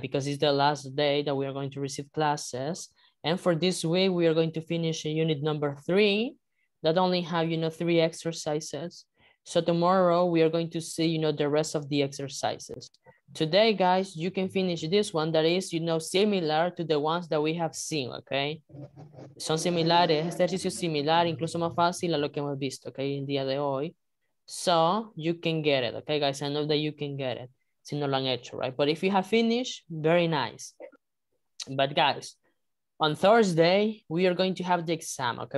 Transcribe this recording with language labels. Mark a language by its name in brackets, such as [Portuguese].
[English] Because it's the last day that we are going to receive classes. And for this week, we are going to finish unit number 3 that only have, you know, 3 exercises. So tomorrow, we are going to see, you know, the rest of the exercises. Today, guys, you can finish this one that is, you know, similar to the ones that we have seen, okay? [Spanish] Son similares, ejercicio similar, incluso más fácil a lo que hemos visto, okay, el día de hoy. [English] So, you can get it, okay, guys? I know that you can get it, [Spanish] si no lo han hecho, [English] right? But if you have finished, very nice. But, guys, on Thursday, we are going to have the exam, okay?